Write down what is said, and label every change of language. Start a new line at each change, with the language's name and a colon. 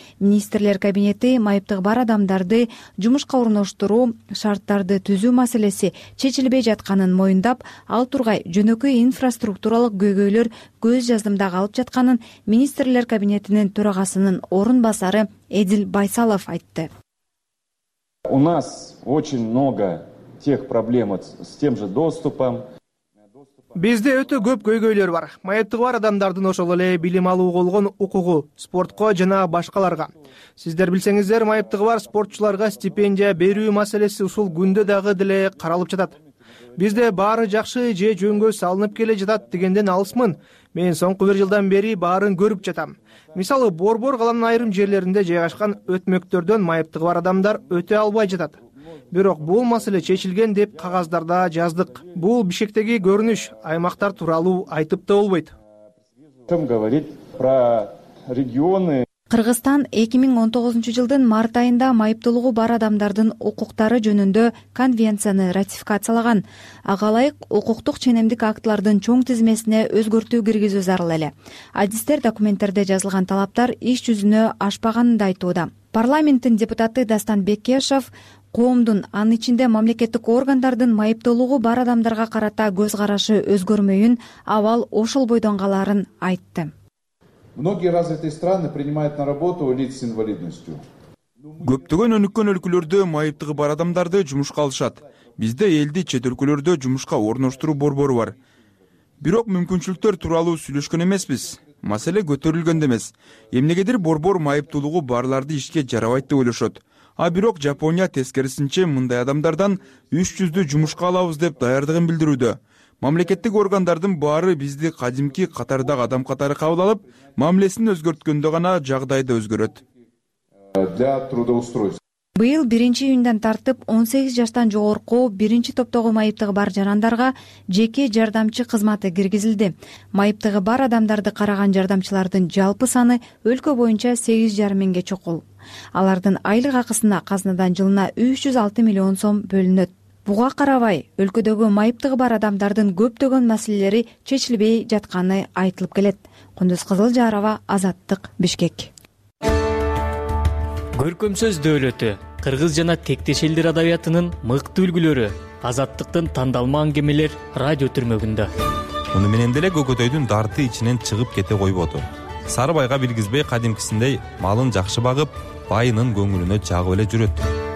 Kyrgyz: Министрлер кабинети майыптык бар адамдарды жумушка орноштуруу, шарттарды түзүү маселеси чечилбей жатканын моюндап, ал тургай жөнөкөй инфраструктуралык көйгөйлөр көз жаздымда калып жатканын министрлер кабинетинин төрагасынын орун басары Эдил Байсалов айтты.
Russian: У нас очень много тех проблем с тем же доступом.
Kyrgyz: Бизде өтө көп көйгөйлөр бар. Маектиги бар адамдардын ошол эле билим алууга болгон укугу, спортко жана башкаларга. Сиздер билсеңиздер, маектиги бар спортчуларга стипендия берүү маселеси ушул күндө дагы деле каралып жатат. Бизде баары жакшы же жөнгө салынып келе жатат дегенден алысмын. Мен соңку бир жылдан бери баарын көрүп жатам. Мисалы, Борбор калаанын айрым жерлеринде жайгашкан өтмөктөрдөн маектиги бар адамдар өтө албай жатат. Бирок бул маселе чечилген деп кагаздарда жаздык. Бул Бишкектеги көрүнүш, аймактар тууралуу айтып да болбойт.
Russian: Ким говорит про регионы?
Kyrgyz: Кыргызстан 2019 жылдын март айында майыптылугу бар адамдардын укуктары жөнүндө конвенцияны ратификациялаган. Ага ылайык укуктук ченемдик актылардын чоң тизмесине өзгөртүү киргизүү зарыл эле. Адистер документтерде жазылган талаптар иш жүзүнө ашпаганын да айтууда. Парламенттин депутаты Дастан Бекешев коомдун, анын ичинде мамлекеттик органдардын майыптылугу бар адамдарга карата көз карашы өзгөрмөйүн, абал ошол бойдон калаарын айтты.
Russian: Многие развитые страны принимают на работу лиц с инвалидностью.
Kyrgyz: Көптөгөн өнүккөн өлкөлөрдө майыптыгы бар адамдарды жумушка алышат. Бизде элди чет өлкөлөрдө жумушка орноштуруу борбору бар. Бирок мүмкүнчүлүктөр тууралуу сүйлөшкөн эмеспиз. Маселе көтөрүлгөндө эмес. Эмнегедир борбор майыптылугу барларды ишке жарабайт деп ойлошот. А бирок Жапония тескерисинче мындай адамдардан 300-дү жумушка алабыз деп даярдыгын билдирүүдө. Мамлекеттик органдардын баары бизди кадимки катардагы адам катары кабыл алып, мамилесин өзгөрткөндө гана жагдайды өзгөрөт. Быйыл 1 июндан тартып 18 жаштан жогорку 1 топтогу майыптыгы бар жарандарга жеке жардамчы кызматы киргизилди. Майыптыгы бар адамдарды караган жардамчылардын жалпы саны өлкө боюнча 8,5 миңге чукул. Алардын айлык акысына казынадан жылына 306 миллион сом бөлүнөт. Буга карабай, өлкөдөгү майыптыгы бар адамдардын көптөгөн маселелери чечилбей жатканы айтылып келет. Кундуз Кызылжарова, Азаттык, Бишкек. Көркөм сөз дөөлөтү, кыргыз жана тектеш элдер адабиятынын мыкты үлгүлөрү, Азаттыктын тандалма аңгемелер радио түрмөгүндө. Муну менен деле көкөтөйдүн дарты ичинен чыгып кете койбоду. Сарыбайга билгизбей кадимкисиндей малын жакшы багып, байынын көңүлүнө жагып эле жүрөт.